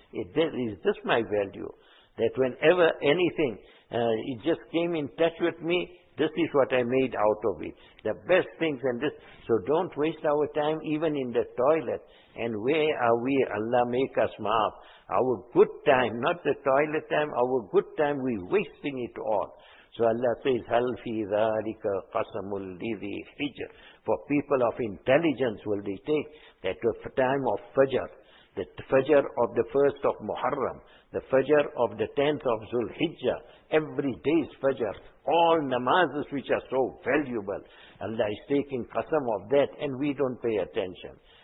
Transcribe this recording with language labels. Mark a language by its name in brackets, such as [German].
[English] Is this my value? That whenever anything, it just came in touch with me, this is what I made out of it. The best things and this. So don't waste our time even in the toilet. And where are we? Allah make us maaf. Our good time, not the toilet time, our good time, we wasting it all. So Allah says, [Arabic] هَلْ فِي ذَٰلِكَ قَسَمٌ لِذِي حِجْرٍ. [English] For people of intelligence will they take that the time of Fajr, the Fajr of the first of Muharram, the Fajr of the 10th of Zulhijjah, every day's Fajr, all namazes which are so valuable, Allah is taking qasam of that, and we don't pay attention.